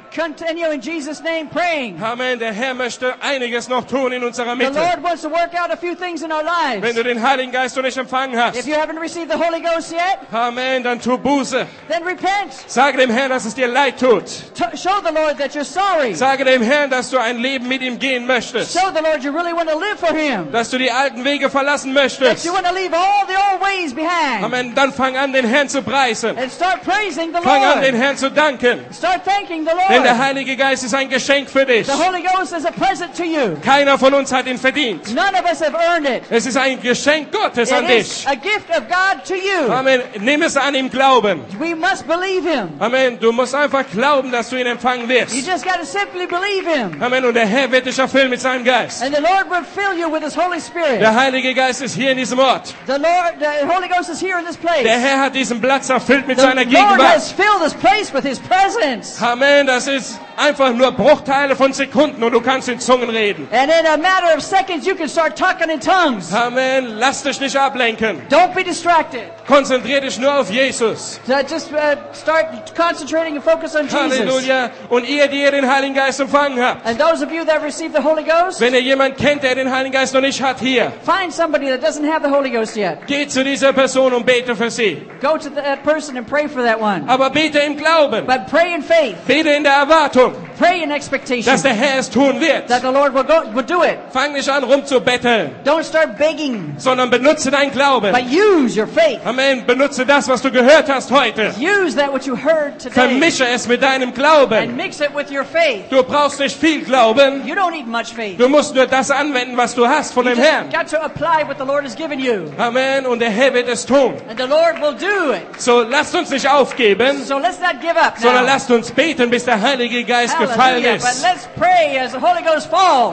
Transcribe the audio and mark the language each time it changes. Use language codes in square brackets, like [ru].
[en] Continue in Jesus' name praying. Amen. [de] Der Herr möchte einiges noch tun in unserer Mitte. [en] The Lord wants to work out a few things in our lives. [de] Wenn du den Heiligen Geist noch nicht empfangen hast. [en] If you haven't received the Holy Ghost yet. [de] Amen. Dann tu Buße. [en] Then repent. [de] Sage dem Herrn, dass es dir leid tut. [en] Show the Lord that you're sorry. [de] Sage dem Herrn, dass du ein Leben mit ihm gehen möchtest. [en] Show the Lord you really want to live for him. [de] Dass du die alten Wege verlassen möchtest. [en] That you want to leave all the old ways behind. Amen. [de] Dann fang an, den Herrn zu preisen. [en] And start praising the Lord. [de] Fang an, den Herrn zu danken. [en] Start thanking the Lord. [de] Der Heilige Geist ist ein Geschenk für dich. [en] The Holy Ghost is a present to you. [de] Keiner von uns hat ihn verdient. [en] None of us have earned it. [de] Es ist ein Geschenk Gottes [en] it [de] an dich. [en] A gift of God to you. [de] Amen. Nimm es an im Glauben. [en] We must believe him. Amen. [de] Du musst einfach glauben, dass du ihn empfangen wirst. [en] You just gotta simply believe him. Amen. [de] Und der Herr wird dich erfüllen mit seinem Geist. [en] And the Lord will fill you with his Holy Spirit. [de] Der Heilige Geist ist hier in diesem Ort. [en] The Holy Ghost is here in this place. [de] Der Herr hat diesen Platz erfüllt mit [en] the [de] seiner Gegenwart. [en] Lord has filled this place with his presence. Amen. [de] Das ist einfach nur Bruchteile von Sekunden und du kannst in Zungen reden. [en] And in a matter of seconds you can start talking in tongues. Amen. [de] Lass dich nicht ablenken. [en] Don't be distracted. [de] Konzentrier dich nur auf Jesus. [en] Just start concentrating and focus on Halleluja. Halleluja. [de] Und ihr, die ihr den Heiligen Geist empfangen habt. [en] And those of you that received the Holy Ghost. [de] Wenn ihr jemanden kennt, der den Heiligen Geist noch nicht hat, hier. [en] Find somebody that doesn't have the Holy Ghost yet. [de] Geh zu dieser Person und bete für sie. [en] Go to that person and pray for that one. [de] Aber bete im Glauben. [en] But pray in faith. [de] Bete in der Erwartung, [en] pray in expectation, [de] dass der Herr es tun wird. [en] That the Lord will do it. [de] Fang nicht an rumzubetteln. [en] Don't start begging. [de] Sondern benutze dein Glauben. [en] But use your faith. Amen. [de] Benutze das, was du gehört hast heute. [en] Use that what you heard today. [de] Vermische es mit deinem Glauben. [en] And mix it with your faith. [de] Du brauchst nicht viel Glauben. [en] You don't need much faith. [de] Du musst nur das anwenden, was du hast von [en] you [de] dem Herrn. [en] Got to apply what the Lord has given you. [de] Amen. Und der Herr wird es tun. [en] And the Lord will do it. [de] So lasst uns nicht aufgeben. [en] So let's not give up now. [de] Sondern lasst uns beten, bis der Heilige Geist Hallelujah. Gefallen ist. [en] But let's pray as the Holy Ghost falls.